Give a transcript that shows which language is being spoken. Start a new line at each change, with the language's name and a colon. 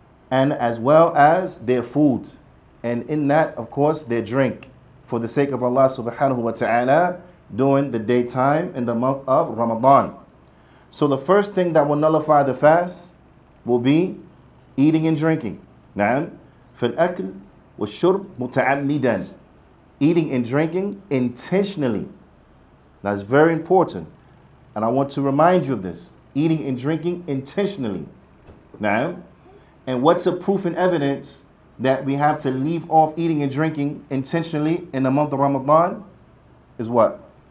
English: And as well as their food. And in that, of course, their drink. For the sake of Allah subhanahu wa ta'ala, during the daytime in the month of Ramadan. So the first thing that will nullify the fast will be eating and drinking.
Arabic: نعم في الأكل والشرب متعمدا.
English: Eating and drinking intentionally. That's very important. And I want to remind you of this. Eating and drinking intentionally. نعم. And what's a proof and evidence that we have to leave off eating and drinking intentionally in the month of Ramadan? Is what?